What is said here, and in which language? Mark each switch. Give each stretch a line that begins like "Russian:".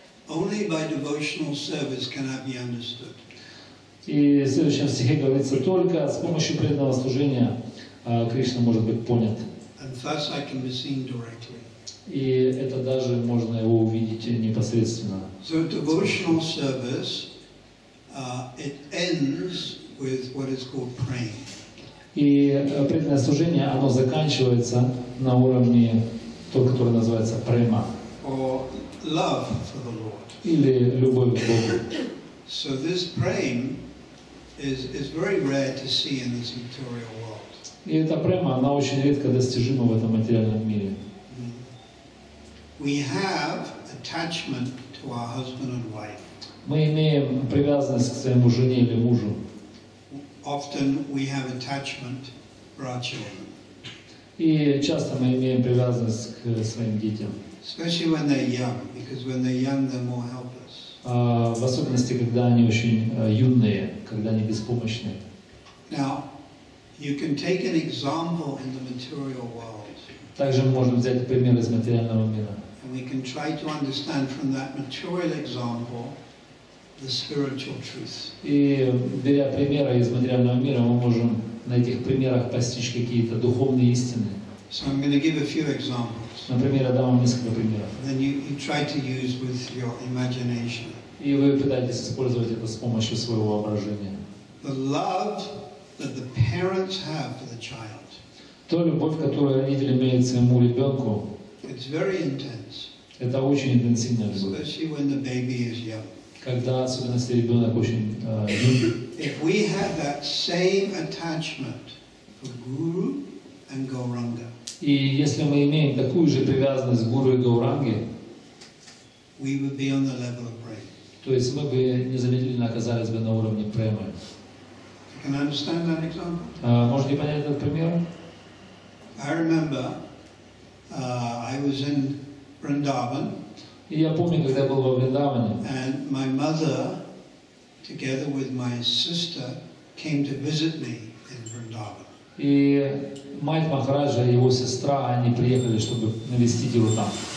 English: Only by devotional service can I be understood.
Russian: И в следующем стихе говорится, только с помощью преданного служения Кришна может быть понят.
English: And thus I can be seen directly.
Russian: И это даже можно его увидеть непосредственно.
English: So devotional service, it ends with what is called praying.
Russian: И преданное служение, оно заканчивается на уровне то, которое называется према.
English: Or love for the Lord.
Russian: Или любовь к Богу.
English: So this praying is very rare to see in this material world.
Russian: И эта према, она очень редко достижима в этом материальном мире.
English: We have attachment to our husband and wife.
Russian: Мы имеем привязанность к своему жене или мужу.
English: Often we have attachment
Russian: И часто мы имеем привязанность к своим детям.
English: Especially when they're young, because when they're young, they're more helpless.
Russian: В особенности, когда они очень юные, когда они беспомощные.
English: Now, you can take an example in the material world.
Russian: Также мы можем взять пример из материального мира.
English: And we can try to understand from that material example the spiritual truth.
Russian: И беря примеры из материального мира, мы можем на этих примерах постичь какие-то духовные истины.
English: So I'm going to give a few examples.
Russian: Например, я дам вам несколько примеров.
English: Then you try to use with your imagination.
Russian: И вы пытаетесь использовать это с помощью своего воображения.
English: The love that the parents have for the child.
Russian: То любовь, которую родители имеют к своему ребенку.
English: It's very intense.
Russian: Это очень интенсивная любовь.
English: Especially when the baby is young.
Russian: Когда особенно если ребенок очень юный.
English: If we had that same attachment for Guru and Gauranga.
Russian: И если мы имеем такую же привязанность к Гуру и Гауранге,
English: we would be on the level of prema.
Russian: То есть мы бы незамедлительно оказались бы на уровне премы.
English: Can I understand that example?
Russian: Можете понять этот пример?
English: I remember I was in Vrindavan.
Russian: И я помню, когда я был во Вриндаване.
English: And my mother, together with my sister, came to visit me in Vrindavan.
Russian: И мать Махараджа и его сестра, они приехали, чтобы навестить его там.